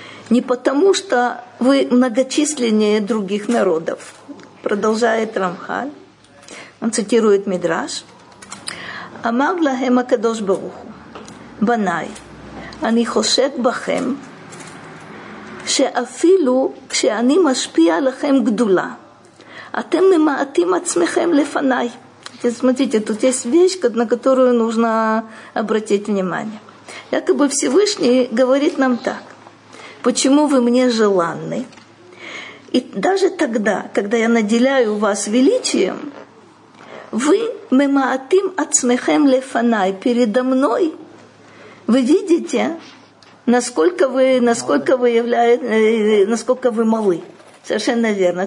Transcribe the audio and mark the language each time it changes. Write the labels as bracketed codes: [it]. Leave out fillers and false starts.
[ru] Не потому, что вы многочисленнее других народов. Продолжает Рамхаль. Он цитирует Мидраш. [he] «Амар лахем акадош баруху. Банай, они хошет бахем, שאפילו כשאני משפיע לכם גדולה, אתם ממעטים עצמכם לפניי. [ru] Смотрите, тут есть вещь, на которую нужно обратить внимание. Якобы Всевышний говорит нам так. Почему вы мне желанны? И даже тогда, когда я наделяю вас величием, вы [he] мемаатим ацмехем лефанай, [ru] передо мной, вы видите, насколько вы малы. Совершенно верно.